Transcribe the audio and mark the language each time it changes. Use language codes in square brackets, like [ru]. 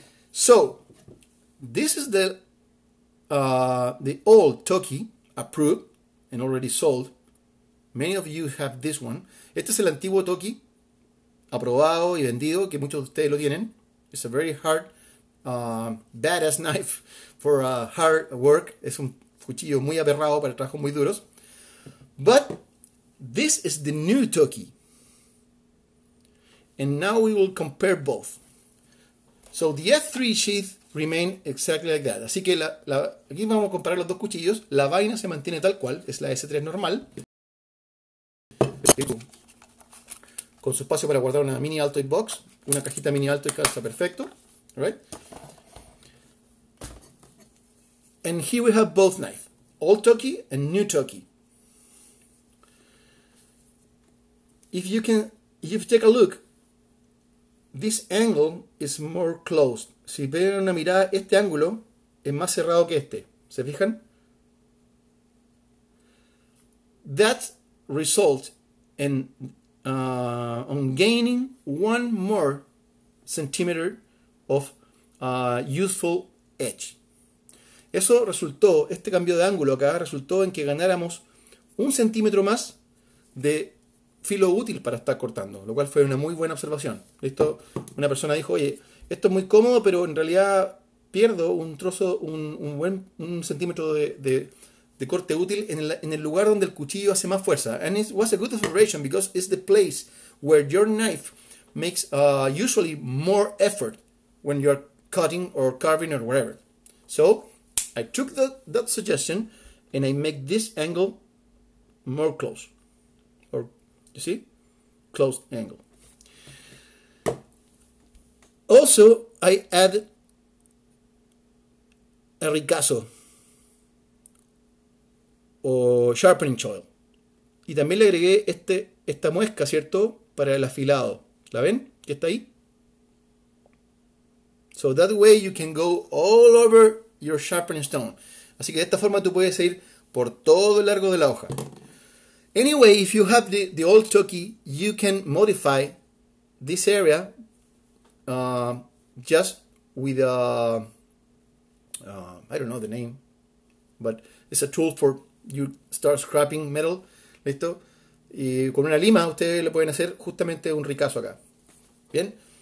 [en] So, this is the old Toki approved and already sold. Many of you have this one. [es] Este es el antiguo Toki aprobado y vendido, que muchos de ustedes lo tienen. [en] It's a very hard badass knife for hard work. [es] Es un cuchillo muy aperrado para trabajos muy duros. [en] But this is the new Toki. And now we will compare both. So the F3 sheath remain exactly like that. [es] Así que aquí vamos a comparar los dos cuchillos. La vaina se mantiene tal cual, es la S3 normal. Con su espacio para guardar una mini Altoid box, una cajita mini Altoid calza perfecto. [en] Right? And here we have both knives, old Toki and new Toki. If you take a look, this angle is more closed. [es] Si ven una mirada, este ángulo es más cerrado que este. ¿Se fijan? [en] That results in on gaining one more centimeter of useful edge. [es] Eso resultó, este cambio de ángulo acá, resultó en que ganáramos un centímetro más de filo útil para estar cortando, lo cual fue una muy buena observación. Esto, una persona dijo, oye, esto es muy cómodo, pero en realidad pierdo un trozo, un buen centímetro de corte útil en el lugar donde el cuchillo hace más fuerza. [en] And it was a good observation because it's the place where your knife makes usually more effort when you're cutting or carving or whatever. So I took that suggestion and I make this angle more close. You see? Closed angle. Also, I add a ricasso o sharpening choil. [es] Y también le agregué esta muesca, ¿cierto? Para el afilado. ¿La ven? ¿Qué está ahí? [en] So that way you can go all over your sharpening stone. [es] Así que de esta forma tú puedes ir por todo el largo de la hoja. [en] Anyway, if you have the old Toki, you can modify this area just with a, I don't know the name, but it's a tool for you start scrapping metal, ¿listo? [es] Y con una lima ustedes le pueden hacer justamente un ricazo acá, ¿bien?